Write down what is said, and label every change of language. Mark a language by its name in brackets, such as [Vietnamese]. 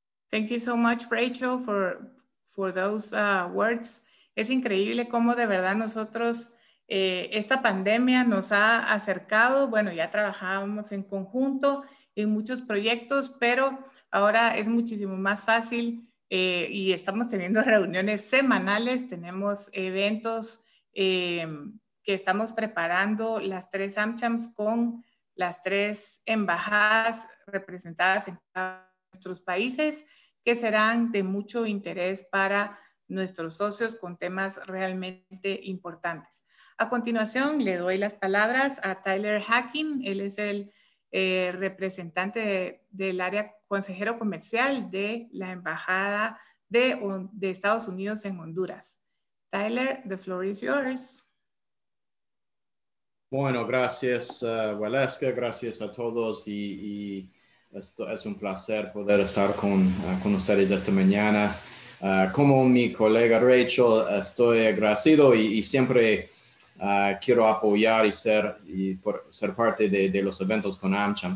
[English] Thank you so much, Rachel, for those words. [Spanish] Es increíble cómo de verdad nosotros, esta pandemia nos ha acercado. Bueno, ya trabajábamos en conjunto en muchos proyectos, pero ahora es muchísimo más fácil y estamos teniendo reuniones semanales. Tenemos eventos que estamos preparando las tres AmChams con las tres embajadas representadas en nuestros países, que serán de mucho interés para nuestros socios con temas realmente importantes. A continuación, le doy las palabras a Tyler Hacking. Él es el representante del área consejero comercial de la Embajada de Estados Unidos en Honduras. [English] Tyler, the floor is yours. [Spanish] Bueno, gracias, Waleska. Gracias a todos y esto es un placer poder estar con ustedes esta mañana. Como mi colega Rachel, estoy agradecido y siempre quiero apoyar y ser parte de los eventos con AmCham.